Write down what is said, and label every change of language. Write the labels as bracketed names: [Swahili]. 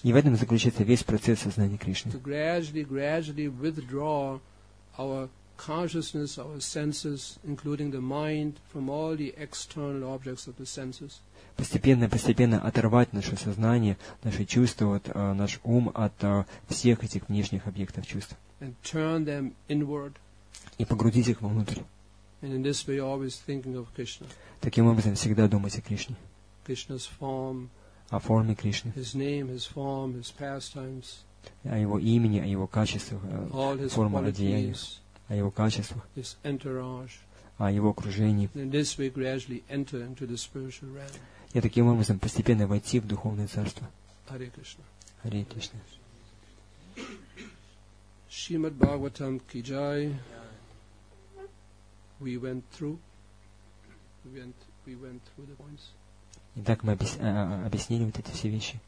[Russian] И в этом заключается весь процесс сознания Кришны. [English] To gradually withdraw our consciousness, our senses, including the mind, from all the external objects of the senses. [Russian] Постепенно оторвать наше сознание, наши чувства, наш ум от всех этих внешних объектов чувств. [English] And turn them inward. [Russian] И погрузить их вовнутрь. [English] And in this way, always thinking of Krishna. [Russian] Таким образом, всегда думать о Кришне. [English] Krishna's form. [Russian] О форме Кришны. [English] His name, his form, his pastimes. [Russian] О его имени, о его качествах, [English] all his [Russian] форма [English] qualities, [Russian] одеяния, о его качествах. [English] His entourage. [Russian] О его окружении. [English] And in this way, gradually enter into the spiritual realm. [Russian] И таким образом постепенно войти в духовное царство. [English] Hare Krishna. Hare Krishna. Shrimad Bhagavatam ki jai. We went through the points. [Russian] Итак, мы объяснили вот эти все вещи.